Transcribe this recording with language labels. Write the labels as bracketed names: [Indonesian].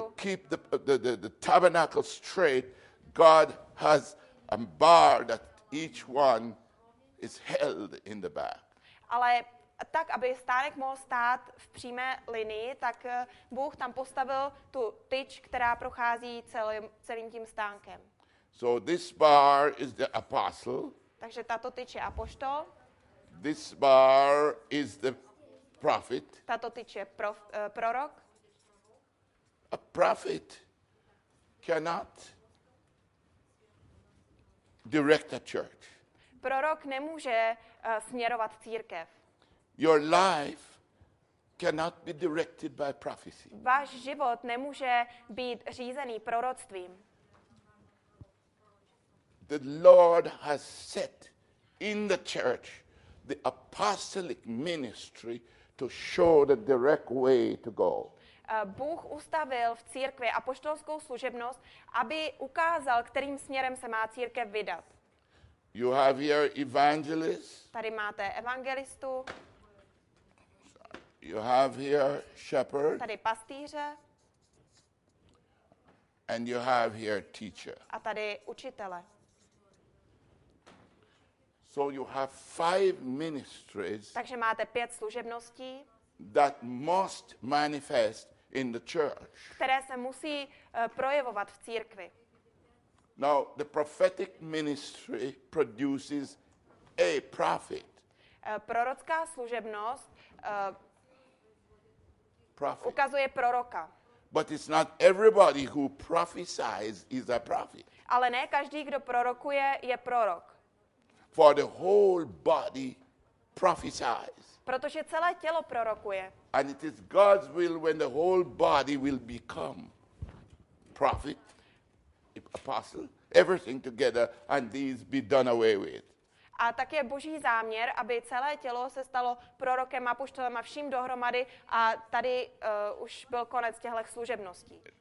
[English] To keep the tabernacle straight, God has a bar that each one is held in the back. [Czech] Ale tak, aby stánek mohl stát v přímé linii, tak Bůh tam postavil tu tyč, která prochází celým tím stánkem. [English] So this bar is the apostle. [Czech] Takže tato tyč je apoštol. [English] This bar is the prophet. [Czech] Tato tyč je prorok. [English] A prophet cannot direct a church. [Czech] Prorok nemůže směrovat církev. [English] Your life cannot be directed by prophecy. [Czech] Váš život nemůže být řízený proroctvím. [English] The Lord has set in the church the apostolic ministry to show the direct way to go. [Czech] Bůh ustavil v církvi apoštolskou služebnost, aby ukázal, kterým směrem se má církev vydat. [English] You have here evangelist. [Czech] Tady máte evangelistu. [English] You have here shepherd. [Czech] Tady pastýře. [English] And you have here teacher. [Czech] A tady učitele. [English] So you have five ministries. [Czech] Takže máte pět služebností. [English] That must manifest in the church. [Czech] Které se musí projevovat v církvi. [English] Now the prophetic ministry produces a prophet. [Czech] Prorocká služebnost [English] prophet. [Czech] Ukazuje proroka. [English] But it's not everybody who prophesies is a prophet. [Czech] Ale ne každý, kdo prorokuje, je prorok. [English] For the whole body prophesies. [Czech] Protože celé tělo prorokuje. [English] And it is God's will when the whole body will become prophet, apostle. Everything together and these be done away with. [Czech] A tak je Boží záměr, aby celé tělo se stalo prorokem a apoštolem a vším dohromady a tady už byl konec těchto služebností.